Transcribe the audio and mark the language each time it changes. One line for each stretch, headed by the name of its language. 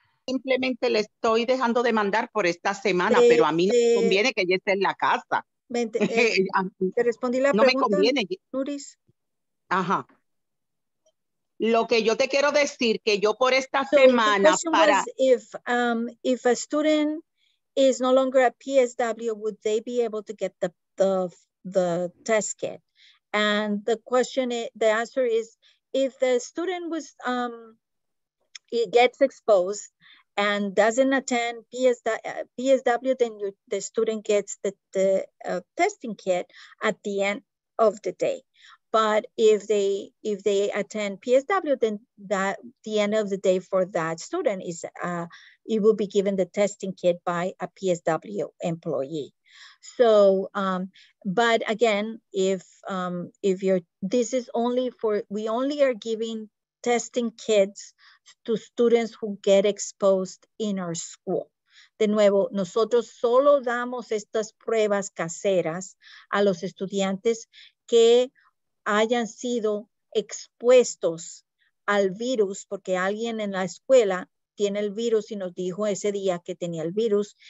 Spanish: Simplemente le estoy dejando de mandar por esta semana, pero a mí no me conviene que ella esté en la casa. Te respondí la pregunta. No me conviene. Luis. Ajá. Lo que yo te quiero decir que yo por esta semana para.
English: If a student is no longer a PSW, would they be able to get the test kit? And the question, the answer is, if the student was it gets exposed and doesn't attend PSW, then the student gets the testing kit at the end of the day. But if they attend PSW, then that the end of the day for that student is it will be given the testing kit by a PSW employee. So, but again, we only are giving testing kits to students who get exposed in our school.
Spanish: De nuevo, nosotros solo damos estas pruebas caseras a los estudiantes que hayan sido expuestos al virus porque alguien en la escuela tiene el virus y nos dijo ese día que tenía el virus.